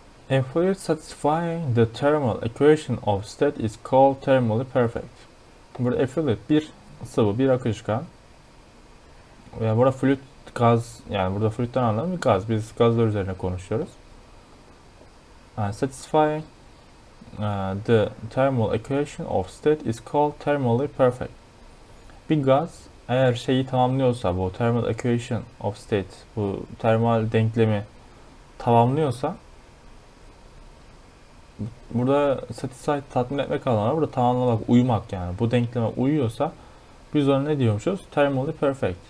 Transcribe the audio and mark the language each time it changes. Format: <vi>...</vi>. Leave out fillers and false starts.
<en>A fluid satisfying the thermal equation of state is called thermally perfect.</en> <tr>Burada a fluid bir sıvı, bir akışkan. Yani burada fluid gaz, yani burada fluid'den anladığım bir gaz. Biz gazlar üzerine konuşuyoruz.</tr> <en>Satisfying the thermal equation of state is called thermally perfect.</en> <tr>Bir gaz eğer şeyi tamamlıyorsa, bu</tr> <en>thermal equation of state,</en> <tr>bu termal denklemi tamamlıyorsa, burada satisfy tatmin etmek anlamına, burada tamamlamak, uyumak, yani bu denkleme uyuyorsa biz ona ne diyormuşuz?</tr> <en>Thermally perfect.</en>